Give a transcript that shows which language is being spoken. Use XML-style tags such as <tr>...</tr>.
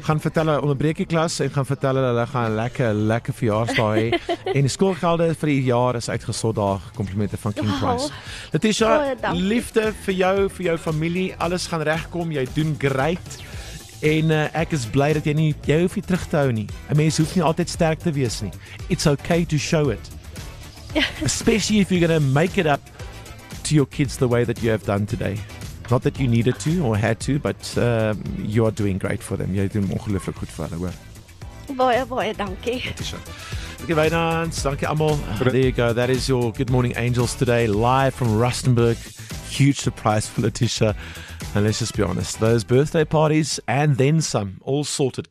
<af>Gaan vertel hulle, onderbreek die klas en gaan vertel hulle, hulle gaan lekker verjaarsdag hê. En die skoolgelde vir die jaar is uitgesort daar, komplimente van King Price. Letitia, liefde vir jou familie, alles gaan regkom, jy doen great. En ek is bly dat jy nie, jy hoef nie terug te hou nie. Een mens hoef nie altyd sterk te wees nie.</af> <en>It's okay to show it. Especially if you're going to make it up to your kids the way that you have done today. Not that you needed to or had to, but you're doing great for them.</en> <af>Jy doen ongelooflik goed vir hulle, hoor. Baie, baie, dankie. Dankie, Wijnands. Dankie, Amal.</af> <en>There you go. That is your Good Morning Angels today, live from Rustenburg. Huge surprise for Letitia. And let's just be honest, those birthday parties and then some, all sorted.</en>